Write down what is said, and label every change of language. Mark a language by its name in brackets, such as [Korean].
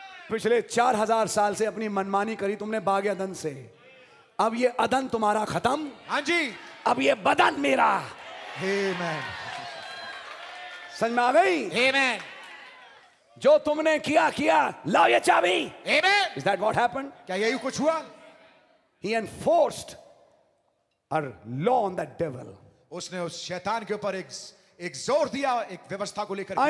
[Hindi] पिछले 4000 साल से अपनी मनमानी करी तुमने बाग अदन से. अब ये अदन तुम्हारा खत्म. हाँ जी. अब ये बदन मेरा. आमीन. समझ में आ गई? आमीन. जो तुमने किया किया, लाओ ये चाबी. [English] Amen. Is that what happened? [Hindi] क्या यही कुछ हुआ? [English] He enforced a law on that devil. [Hindi] उसने उस शैतान के ऊपर एक जोर दिया, एक व्यवस्था को लेकर.